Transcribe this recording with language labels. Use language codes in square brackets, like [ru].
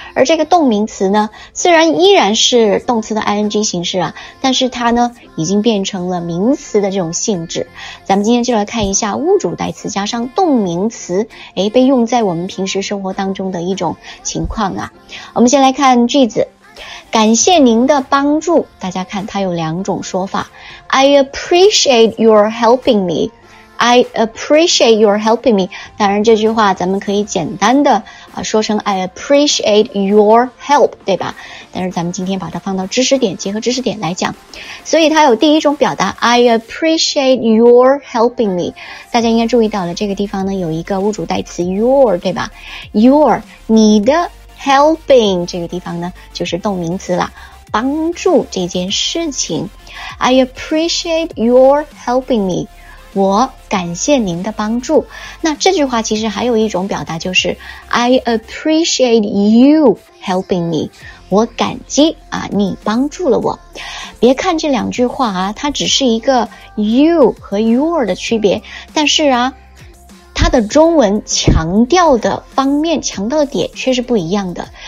[zh] 而这个动名词呢，虽然依然是动词的 ing 形式啊，但是它呢已经变成了名词的这种性质。咱们今天就来看一下物主代词加上动名词，诶，被用在我们平时生活当中的一种情况啊。我们先来看句子，感谢您的帮助。 [en] 大家看它有两种说法， I appreciate your helping meI appreciate your helping me。 [zh] 当然这句话咱们可以简单的说成 [en] I appreciate your help [zh] 对吧，但是咱们今天把它放到知识点，结合知识点来讲。所以它有第一种表达， [en] I appreciate your helping me。 [zh] 大家应该注意到了，这个地方呢有一个物主代词 your 对吧， your 你的 helping 这个地方呢就是动名词了，帮助这件事情。 [en] I appreciate your helping me， [zh] 我感谢您的帮助。那这句话其实还有一种表达，就是 [en] I appreciate you helping me， [zh] 我感激啊你帮助了我。别看这两句话啊，它只是一个 you 和 your 的区别，但是啊它的中文强调的方面，强调的点却是不一样的。